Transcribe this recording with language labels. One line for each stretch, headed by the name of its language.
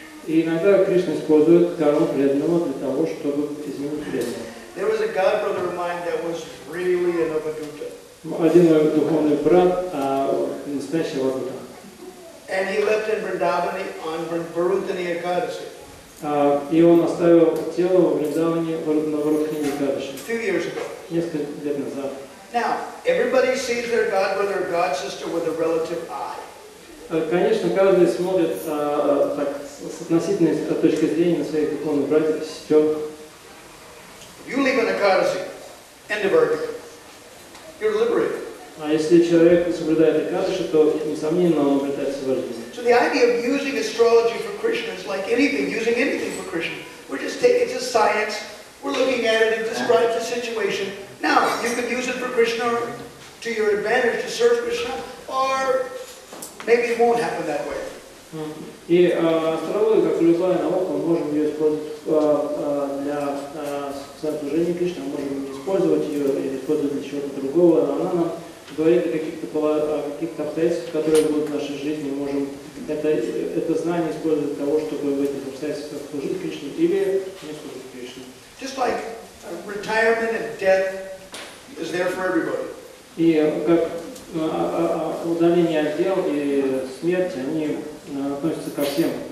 Russian: И иногда Кришна использует карму преданного для того, чтобы изменить преданного.
English: There was a godbrother of mine that was really an avaduta.
Russian: Один мой духовный брат, настоящий авадута.
English: And he left in Vrindavani on Varuthani Ekadashi.
Russian: И он оставил тело в Вриндаване на Варуthani Ekadashi.
English: 2 years ago.
Russian: Несколько лет назад.
English: Now, everybody sees their godbrother or godsister with a relative eye.
Russian: Конечно, каждый смотрит так с относительной точки зрения на своих духовных братьев и сестер.
English: You leave an Ekadashi. End of argument. You're liberated.
Russian: А если человек соблюдает Экадаши, то, несомненно, он обретает освобождение.
English: So the idea of using astrology for Krishna is like anything, using anything for Krishna. We're just it's a science, we're looking at it, it describes the situation. Now, you can use it for Krishna to your advantage to serve Krishna, or maybe it won't happen that way.
Russian: И астрология, как и любая наука, мы можем ее использовать для служения Кришне, мы можем использовать ее или использовать для чего-то другого, но она нам говорит о каких-то обстоятельствах, которые будут в нашей жизни, мы можем это знание использовать для того, чтобы в этих обстоятельствах служить Кришне или не служить Кришне.
English: Just like retirement and death is there for everybody.
Russian: И как удаление от дел и смерть, они относится ко всем.